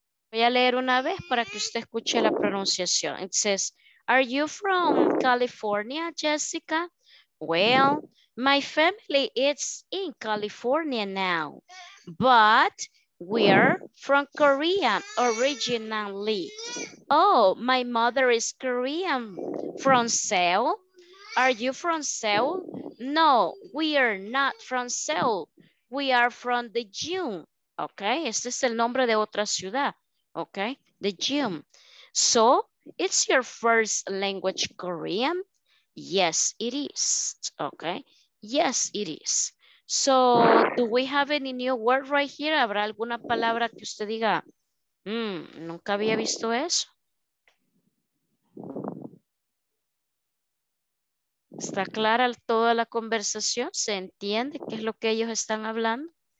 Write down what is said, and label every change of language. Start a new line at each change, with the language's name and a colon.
Spanish: Voy a leer una vez para que usted escuche la pronunciación.
English: It says, are you from California, Jessica? Well, my family is in California now, but we're from Korea originally. Oh, my mother is Korean. From Seoul? Are you from Seoul? No, we are not from Seoul. We are from the gym.
Spanish: Okay, este es el nombre de otra ciudad.
English: Okay, the gym. So, it's your first language Korean? Yes, it is. Okay, yes, it is. So, do we have any new word right here?
Spanish: ¿Habrá alguna palabra que usted diga, nunca había visto eso? ¿Está clara toda la conversación? ¿Se entiende qué es lo que ellos están hablando?